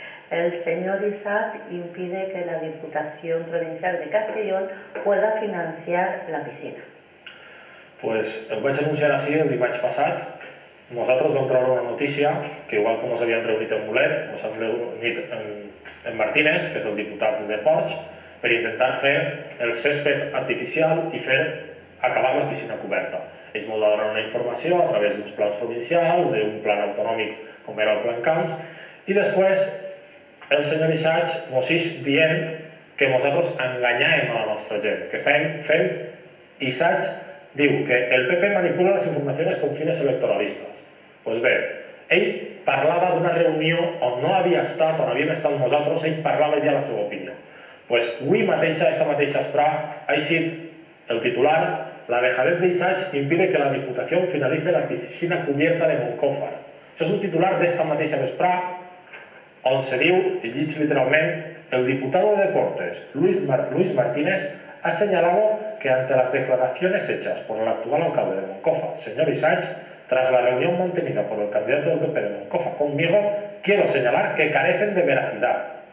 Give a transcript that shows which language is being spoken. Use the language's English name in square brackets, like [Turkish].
[Spanish] El señor Isaac impide que la Diputación Provincial de Castellón pueda financiar la piscina. [Catalan] Pues el vaig anunciar així el dimarts passat. Nosaltres vam treure una notícia que igual que ens havíem reunit en Mulet, ens hem reunit en Martínez, que és el diputat de Porch, per intentar fer el césped artificial i fer acabar la piscina coberta. Ells m'ho donaran una informació a través d'uns plans provincials, d'un plan autonòmic com era el Plan Camps, i després el senyor Isaac mos és dient que nosaltres enganyàvem a la nostra gent, que estàvem fent Isaac. Diu que el PP manipula les informacions [Spanish] con fines electoralistes. [Catalan] Pues bé, ell parlava d'una reunió on no havia estat, on havíem estat nosaltres, ell parlava i dia la seva opinió. Pues avui mateixa, esta mateixa esprà, ha eixit el titular: [Spanish] la dejadez de Isaac impide que la Diputació finalitzi la piscina cubierta de Moncófar. [Catalan] Això és un titular d'esta mateixa esprà on se diu, i llig literalment, [Spanish] el diputado de Deportes, Luis Martínez, ha señalado que ante las declaraciones hechas por el actual alcalde de Moncofa, señor Isaac, tras la reunión mantenida por el candidato del PP de Moncofa conmigo, quiero señalar que carecen de veracidad.